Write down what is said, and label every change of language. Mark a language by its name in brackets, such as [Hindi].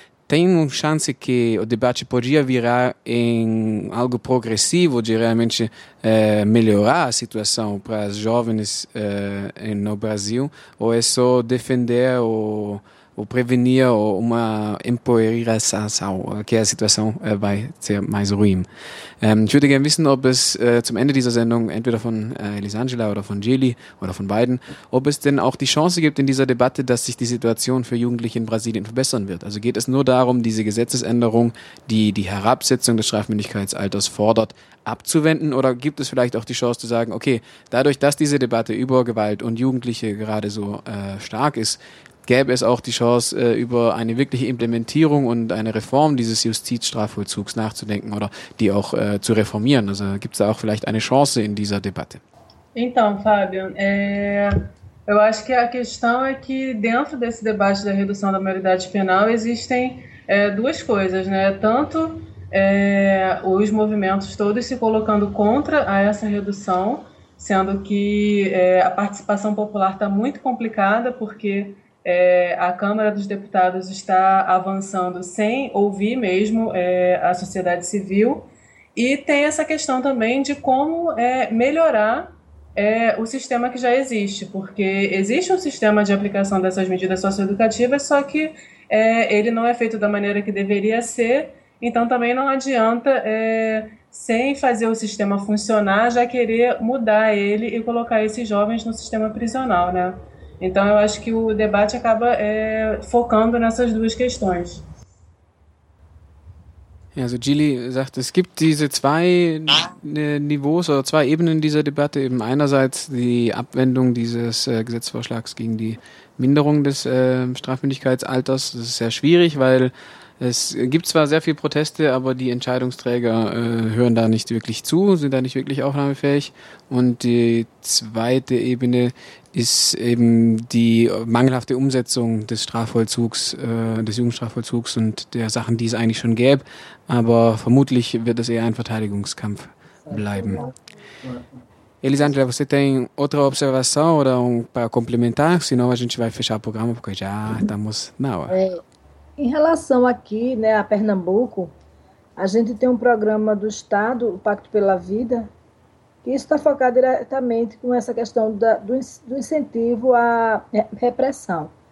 [Portuguese] Tem uma chance que o debate podia virar em algo progressivo de realmente melhorar a situação para as jovens no Brasil, ou é só defender ou prevenir uma empoeiração, que a situação vai ser mais ruim. [German] Ich würde gerne wissen, ob es zum Ende dieser Sendung, entweder von Elisangela oder von Gili oder von beiden, ob es denn auch die Chance gibt in dieser Debatte, dass sich die Situation für Jugendliche in Brasilien verbessern wird. Also geht es nur darum, diese Gesetzesänderung, die die Herabsetzung des Strafmündigkeitsalters fordert, abzuwenden? Oder gibt es vielleicht auch die Chance zu sagen, okay, dadurch, dass diese Debatte über Gewalt und Jugendliche gerade so stark ist, gäbe es auch die Chance, über eine wirkliche Implementierung und eine Reform dieses Justizstrafvollzugs nachzudenken oder die auch zu reformieren? Also gibt es da auch vielleicht eine Chance in dieser Debatte? [Portuguese] Então, Fábio, eu acho que a questão é que dentro desse debate da redução da maioridade penal existem duas coisas, né? Tanto os movimentos todos se colocando contra essa redução, sendo que a participação popular está muito complicada, porque a Câmara dos Deputados está avançando sem ouvir mesmo a sociedade civil, e tem essa questão também de como melhorar o sistema que já existe, porque existe um sistema de aplicação dessas medidas socioeducativas, só que ele não é feito da maneira que deveria ser, então também não adianta, sem fazer o sistema funcionar, já querer mudar ele e colocar esses jovens no sistema prisional, né? Então, eu acho que o debate acaba focando nessas duas questões. [German] Also Gili sagt, es gibt diese zwei Niveaus oder zwei Ebenen dieser Debatte. Eben einerseits die Abwendung dieses Gesetzesvorschlags gegen die Minderung des Strafmündigkeitsalters. Das ist sehr schwierig, weil es gibt zwar sehr viel Proteste, aber die Entscheidungsträger hören da nicht wirklich zu, sind da nicht wirklich aufnahmefähig. Und die zweite Ebene ist eben die mangelhafte Umsetzung des Strafvollzugs, des Jugendstrafvollzugs und der Sachen, die es eigentlich schon gäbe. Aber vermutlich wird es eher ein Verteidigungskampf bleiben. [Portuguese] Elisângela, você tem outra observação [German] oder [Portuguese] para complementar? Senão a gente vai fechar o programa, porque já estamos na hora. Em relação aqui, né, a Pernambuco, a gente tem um programa do Estado, o Pacto pela Vida, que está focado diretamente com essa questão do incentivo à repressão.